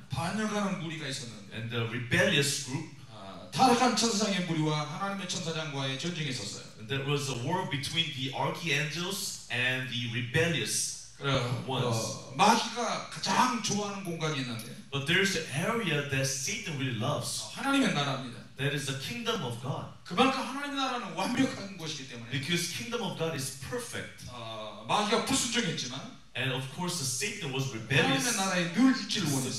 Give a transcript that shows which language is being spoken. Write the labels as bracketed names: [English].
[Korean] 반역하는 무리가 있었는데 [English] and the rebellious group. [Korean] 타락한 천사장의 무리와 하나님의 천사장과의 전쟁이 있었어요. [English] There was a war between the archangels and the rebellious ones. [Korean] 마귀가 가장 좋아하는 공간이 있는데. [English] But there's an area that Satan really loves. [Korean] 하나님의 나라입니다. [English] That is the kingdom of God. [Korean] 그만큼 하나님의 나라는 완벽한 곳이기 때문에. [English] Because kingdom of God is perfect. [Korean] 마귀가 불순종했지만. [English] And of course, Satan was rebellious. [Korean] 하나님의 나라에 늘 있기를 원했어.